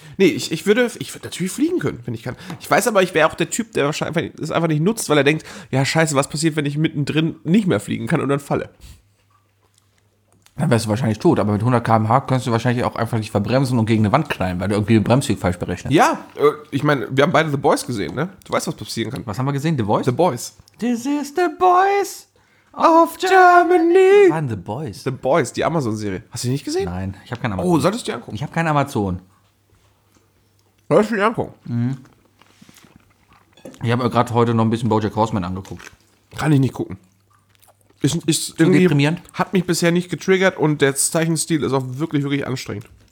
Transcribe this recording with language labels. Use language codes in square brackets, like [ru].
[de] Nee, ich würde natürlich fliegen können, wenn ich kann. Ich weiß aber, ich wäre auch der Typ, der wahrscheinlich es einfach nicht nutzt, weil er denkt, ja scheiße, was passiert, wenn ich mittendrin nicht mehr fliegen kann und dann falle? Dann wärst du wahrscheinlich tot, aber mit 100 km/h könntest du wahrscheinlich auch einfach nicht verbremsen und gegen eine Wand knallen, weil du irgendwie den Bremsweg falsch berechnest. Ja, ich meine, wir haben beide The Boys gesehen, ne? Du weißt, was passieren kann. Was haben wir gesehen? The Boys? The Boys. [en] This is The Boys of Germany. [de] Was waren The Boys? The Boys, die Amazon-Serie. Hast du die nicht gesehen? Nein, ich habe keine Amazon. Oh, solltest du dir angucken? Ich habe keine Amazon. Das ist die Ernkung. Ich habe mir gerade heute noch ein bisschen BoJack Horseman angeguckt. Kann ich nicht gucken. Ist irgendwie deprimierend. Hat mich bisher nicht getriggert und der Zeichenstil ist auch wirklich, wirklich anstrengend.